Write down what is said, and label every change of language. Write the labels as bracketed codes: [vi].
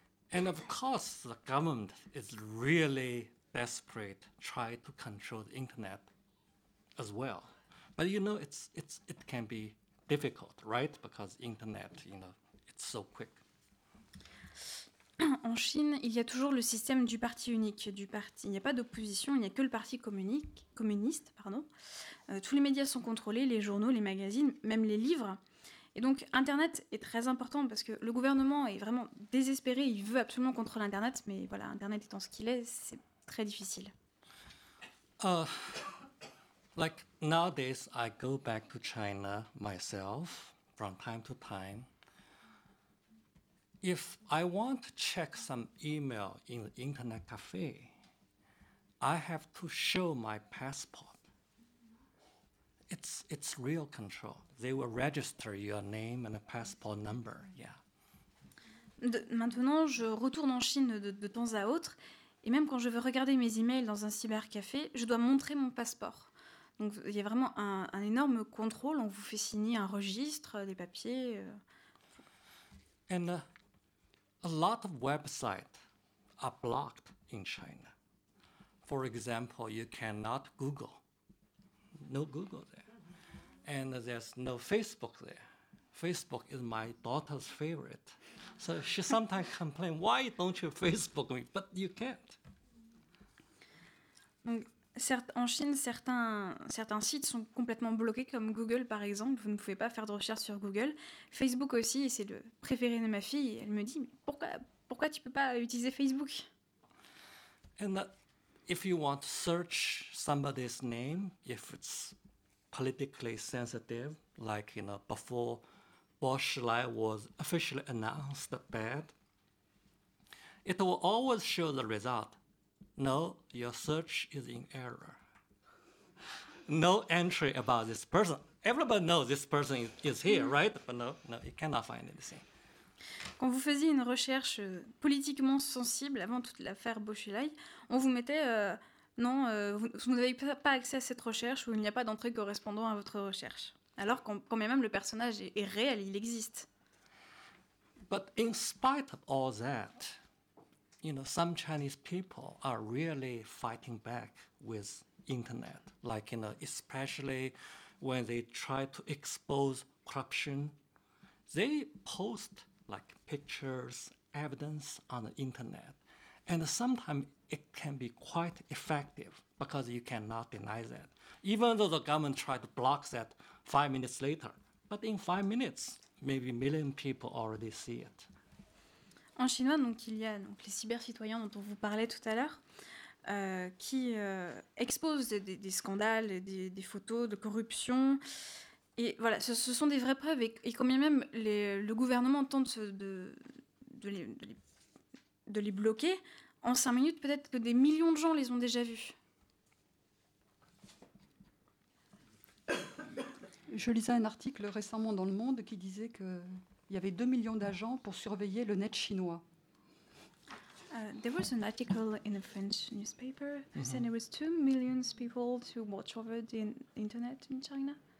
[en] And of course, the government is really desperate to try to control the internet as well. But you know, it can be difficult, right? Because internet, you know, it's so quick. [fr] En Chine, il y a toujours le système du parti unique. Du parti. Il n'y a pas d'opposition, il n'y a que le parti communiste. Pardon. Tous les médias sont contrôlés, les journaux, les magazines, même les livres. Et donc, Internet est très important parce que le gouvernement est vraiment désespéré. Il veut absolument contrôler Internet, mais voilà, Internet étant ce qu'il est, c'est très difficile. [en] Like nowadays, I go back to China myself from time to time. If I want to check some email in the internet cafe, I have to show my passport. It's real control. They will register your name and a passport number. Yeah. [fr] Maintenant, je retourne en Chine de temps à autre, et même quand je veux regarder mes emails dans un cybercafé, je dois montrer mon passeport. Donc, il y a vraiment un énorme contrôle. On vous fait signer un registre, des papiers. [en] And a lot of websites are blocked in China. For example, you cannot Google. No Google there. And there's no Facebook there. Facebook is my daughter's favorite. So she sometimes complains, why don't you Facebook me? But you can't. [fr] En Chine, certains sites sont complètement bloqués, comme Google par exemple. Vous ne pouvez pas faire de recherche sur Google. Facebook aussi, c'est le préféré de ma fille. Elle me dit, pourquoi tu ne peux pas utiliser Facebook? [en] And if you want to search somebody's name, if it's politically sensitive, like you know, before Bush Lai was officially announced bad, it will always show the result. No, your search is in error. No entry about this person. Everybody knows this person is here, right? But no, you cannot find anything. [fr] Quand vous faisiez une recherche politiquement sensible avant toute l'affaire Beauchelay, on vous mettait vous n'avez pas accès à cette recherche ou il n'y a pas d'entrée correspondant à votre recherche. Alors quand même le personnage est réel, il existe. [en] But in spite of all that, you know, some Chinese people are really fighting back with internet. Like, you know, especially when they try to expose corruption, they post like pictures, evidence on the internet, and sometimes it can be quite effective because you cannot deny that. Even though the government tried to block that 5 minutes later, but in 5 minutes, maybe a million people already see it. [fr] En chinois, donc, il y a donc, les cybercitoyens dont on vous parlait tout à l'heure qui exposent des scandales, des photos de corruption. Et voilà, ce sont des vraies preuves. Et combien même le gouvernement tente de les bloquer, en 5 minutes, peut-être que des millions de gens les ont déjà vus. Je lisais un article récemment dans Le Monde qui disait que il y avait 2 millions d'agents pour surveiller le net chinois. [en] There was an article in a French newspaper who said there was 2 million people to watch over the internet in China.